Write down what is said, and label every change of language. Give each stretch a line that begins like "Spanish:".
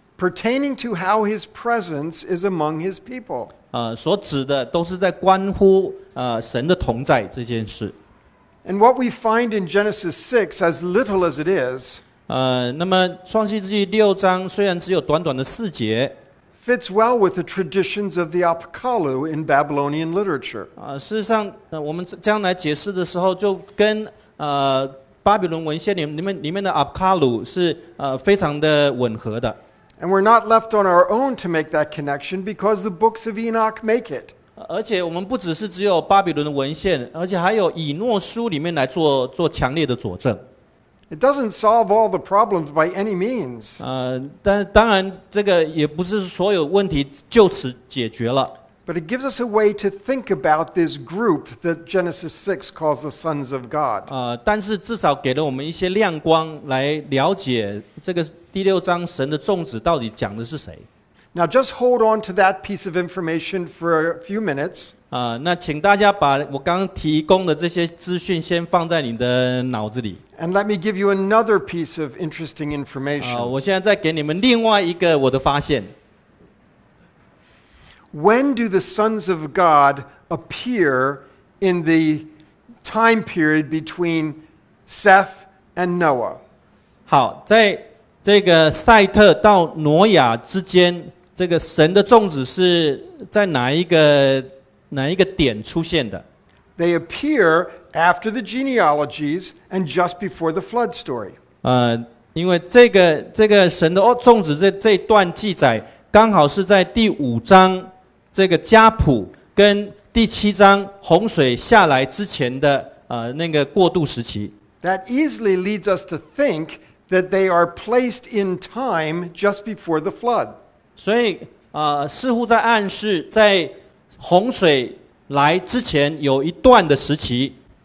English: Pertaining to how His presence is among His people.
Chinese: 所指的都是在关乎神的同在这件事。
English: And what we find in Genesis 6, as little as it is.
Chinese: 那么创世纪六章虽然只有短短的四节。
English: Fits well with the traditions of the Apkallu in Babylonian literature.
Chinese: 事实上，我们将来解释的时候，就跟巴比伦文献里面的 Apkallu 是非常的吻合的。
English: And we're not left on our own to make that connection because the books of Enoch make it.
Chinese: 而且我们不只是只有巴比伦的文献，而且还有以诺书里面来做强烈的佐证。
English: It doesn't solve all the problems by any means.
Chinese: 但当然这个也不是所有问题就此解决了。
English: But it gives us a way to think about this group that Genesis 6 calls the sons of God.
Chinese: 但是至少给了我们一些亮光来了解这个第六章神的众子到底讲的是谁。
English: Now just hold on to that piece of information for a few minutes.
Chinese: 那请大家把我刚刚提供的这些资讯先放在你的脑子里。
English: And let me give you another piece of interesting information.
Chinese: 我现在再给你们另外一个我的发现。
English: When do the sons of God appear in the time period between Seth and Noah?
Chinese: 好，在这个赛特到挪亚之间，这个神的众子是在哪一个点出现的？
English: They appear after the genealogies and just before the flood story.
Chinese: 因为这个神的众子这段记载，刚好是在第五章。这个家谱跟第七章洪水下来之前的那个过渡时期。
English: That easily leads us to think that they are placed in time just before the flood.
Chinese: 所以似乎在暗示在洪水来之前有一段的时期。